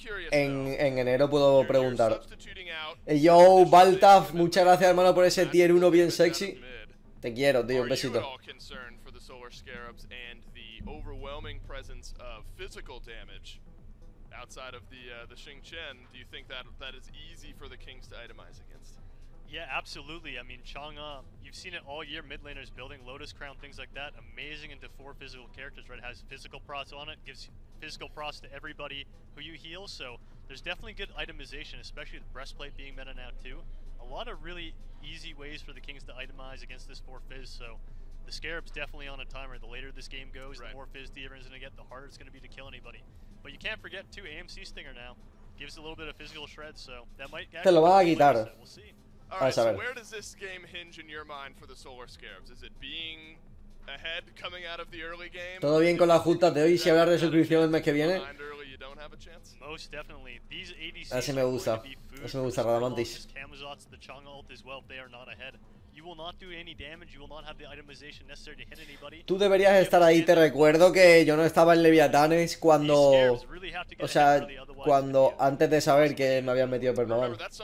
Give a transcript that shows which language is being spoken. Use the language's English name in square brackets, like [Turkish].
[Spanish] En enero puedo preguntar. Yo, Baltaf, muchas gracias, hermano, por ese tier 1 bien sexy. Te quiero, tío, un besito. [English] Scarabs and the overwhelming presence of physical damage outside of the Xing Chen, do you think that is easy for the Kings to itemize against? Yeah, absolutely. I mean, Chang'e, you've seen it all year, mid laners building Lotus Crown, things like that, amazing into four physical characters, right? It has physical pros on it, gives physical pros to everybody who you heal, so there's definitely good itemization, especially with breastplate being meta now too. A lot of really easy ways for the Kings to itemize against this four fizz, so the Scarab's definitely on a timer. The later this game goes, right, the more Fizz D.Va's gonna get, the harder it's gonna be to kill anybody. But you can't forget, too, AMC Stinger now. Gives a little bit of physical shred, so that might [Spanish] get... Te lo va a quitar. [English] We'll see. Alright, so where does this game hinge in your mind for the Solar Scarabs? Is it being ahead coming out of the early game? [Spanish] Todo bien con las juntas de hoy, si habrá resuscripción el mes que viene. [English] Early, you don't have a chance? Most definitely. These ADCs [Spanish] así me gusta. Así me gusta, Radamantis. [English] The Camazots, the Chang'e ult as well, they are not ahead. You will not do any damage, you will not have the itemization necessary to hit anybody. [Spanish] Tú deberías estar ahí, te recuerdo que yo no estaba en Leviatanes cuando... O sea, cuando... Antes de saber que me habían metido permaban.